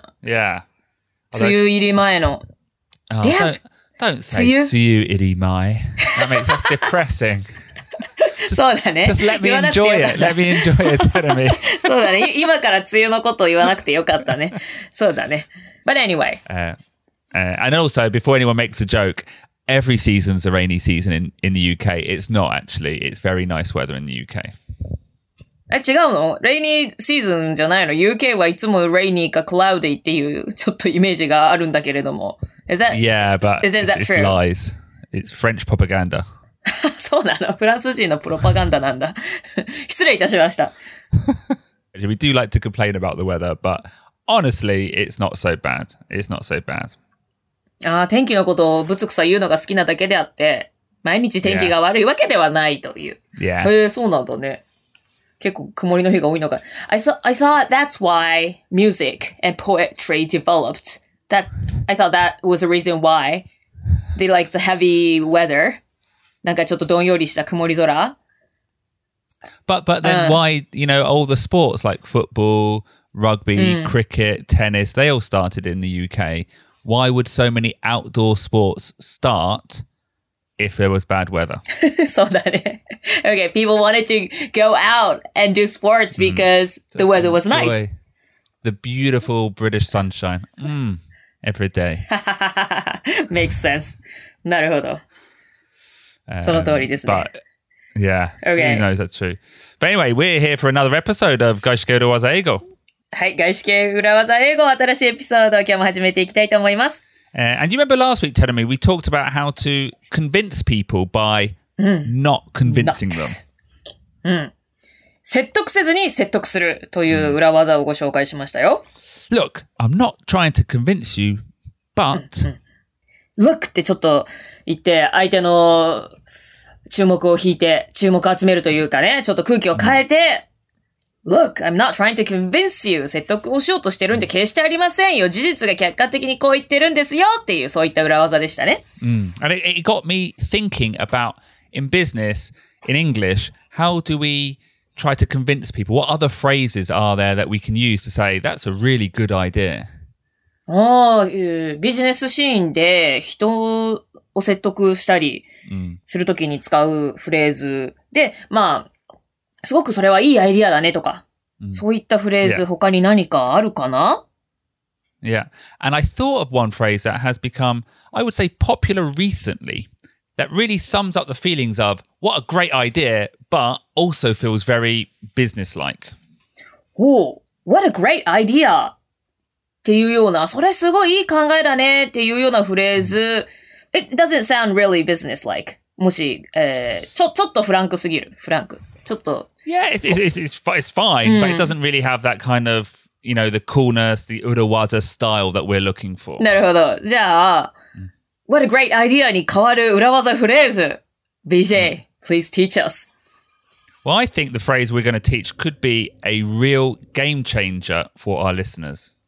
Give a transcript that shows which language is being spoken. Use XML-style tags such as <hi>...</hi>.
<en>Yeah,</en> <ja>梅雨入り前の、</ja> <en>Don't say</en> <ja>梅雨入り前。</ja> <en>I mean, that's depressing.</en> <ja>そうだね。</ja> <en>Just let me enjoy it. Let me enjoy it, Terumi.</en> <ja>そうだね。今から梅雨のことを言わなくてよかったね。そうだね。</ja> <en>But anyway. And also, before anyone makes a joke, every season's a rainy season in the UK. It's not actually. It's very nice weather in the UK.</en> <ja>え、違うの？</ja> <en>Rainy season</en> <ja>じゃないの？UK はいつも rainy か cloudy っていうちょっとイメージがあるんだけれども。</ja> <en>Isn't that true? Lies. It's French propaganda.</en> <ja>そうなの？フランス人のプロパガンダなんだ。失礼いたしました。</ja> <en>We do like to complain about the weather, but honestly, it's not so bad. It's not so bad.</en> <ja>ああ、天気のことをぶつくさ言うのが好きなだけであって、毎日天気が悪いわけではないという。</ja> <en>Yeah.</en> <ja>へえ、そうなんだね。結構曇りの日が多いのか。</ja> <en>I thought that's why music and poetry developed. I thought that was a reason why they like the heavy weather.</en> <ja>なんかちょっとどんよりした曇り空。</ja> <en>But then、why, you know, all the sports like football, rugby,、cricket, tennis, they all started in the UK. Why would so many outdoor sports start if there was bad weather?</en> <ja>そうだね。</ja> <en>Okay, people wanted to go out and do sports because、the weather was nice. The beautiful British sunshine. Every day. Makes sense.</en> <ja>なるほど。その通りですね。</ja> <en>But, yeah. Okay. You know that's true. But anyway, we're here for another episode of 外資系裏技英語。</en> <ja>はい、外資系裏技英語、新しいエピソードを今日も始めていきたいと思います。</ja> <en>And you remember last week telling me we talked about how to convince people by not convincing them.</en> <ja>説得せずに説得するという裏技をご紹介しましたよ。</ja> <en>Look, I'm not trying to convince you, but...</en> <ja>Look ってちょっと言って、相手の注目を引いて、注目を集めるというかね、ちょっと空気を変えて、</ja> <en>Look, I'm not trying to convince you.</en> <ja>説得をしようとしてるんで、決してありませんよ。事実が客観的にこう言ってるんですよっていう、そういった裏技でしたね。</ja> <en>And it got me thinking about, in business, in English, how do we... try to convince people. What other phrases are there that we can use to say that's a really good idea?</en> <ja>Oh, business scene で人を説得したりするときに使うフレーズで、まあすごくそれはいいアイディアだねとか、そういったフレーズ他に何かあるかな？</ja> <en>Yeah, and I thought of one phrase that has become, I would say, popular recently. That really sums up the feelings of what a great idea, but also feels very business-like. Oh, what a great idea!</en> <ja>っていうような、それすごいいい考えだねっていうようなフレーズ。</ja> <en>It doesn't sound really business-like.</en> <ja>もし、ちょっとフランクすぎる。フランク。ちょっと。</ja> <en>Yeah, it's fine,、but it doesn't really have that kind of, you know, the coolness, the urawaza style that we're looking for.</en> <ja>なるほど。じゃあ、</ja> <en>What a great idea</en> <ja>に変わる裏技フレーズ。</ja> <en>BJ, please teach us. Well, I think the phrase we're going to teach could be a real game changer for our listeners.</en>